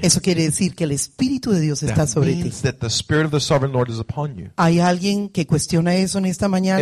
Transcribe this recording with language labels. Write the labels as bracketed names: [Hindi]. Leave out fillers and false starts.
[Spanish] Eso quiere decir que el Espíritu de Dios está sobre ti. [English] That means that the Spirit of the Sovereign Lord is upon you. [Spanish] ¿Hay alguien que cuestiona eso en esta mañana?